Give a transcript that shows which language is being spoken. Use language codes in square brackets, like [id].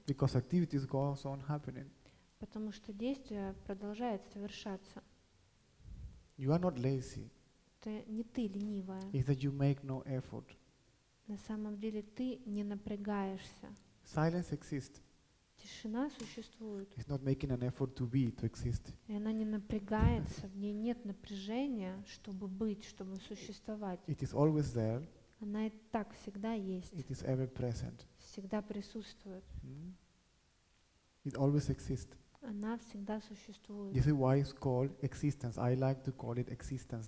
[en] Because activities go on happening. [ru] Потому что действия продолжают совершаться. [en] You are not lazy. [ru] Это не ты ленивая. [en] It's that you make no effort. [ru] На самом деле ты не напрягаешься. [en] Silence exists. [ru] Тишина существует. [en] It's not making an effort to be, to exist. [ru] И она не напрягается, в ней нет напряжения, чтобы быть, чтобы существовать. [en] It is always there. [ru] Она и так всегда есть. [en] It is ever present. [ru] Всегда присутствует. [en] Mm-hmm. It always exists. [ru] Она всегда существует. [en] This is why it's called existence. I like to call it existence.